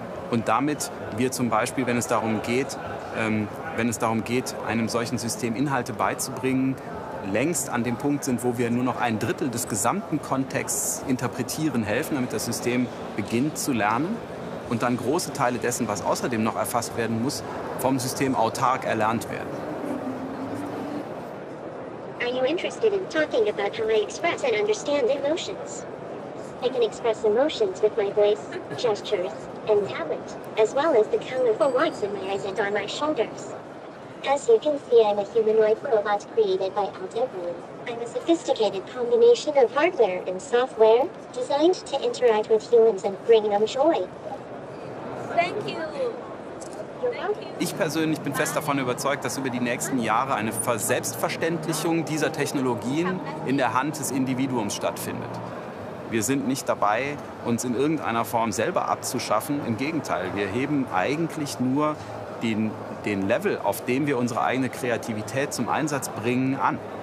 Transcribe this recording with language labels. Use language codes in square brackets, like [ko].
[de] Und damit wir zum Beispiel, wenn es darum geht, einem solchen System Inhalte beizubringen, längst an dem Punkt sind, wo wir nur noch ein Drittel des gesamten Kontexts interpretieren helfen, damit das System beginnt zu lernen und dann große Teile dessen, was außerdem noch erfasst werden muss, vom System autark erlernt werden. [en] Are you interested in talking about how I express and understand emotions? I can express emotions with my voice, gestures, and talent, as well as the colorful warts in my eyes and on my shoulders. As you can see, I'm a humanoid robot created by Aldebaran. I'm a sophisticated combination of hardware and software designed to interact with humans and bring them joy. Thank you! [de] Ich persönlich bin fest davon überzeugt, dass über die nächsten Jahre eine Verselbstverständlichung dieser Technologien in der Hand des Individuums stattfindet. Wir sind nicht dabei, uns in irgendeiner Form selber abzuschaffen. Im Gegenteil, wir heben eigentlich nur den Level, auf dem wir unsere eigene Kreativität zum Einsatz bringen, an.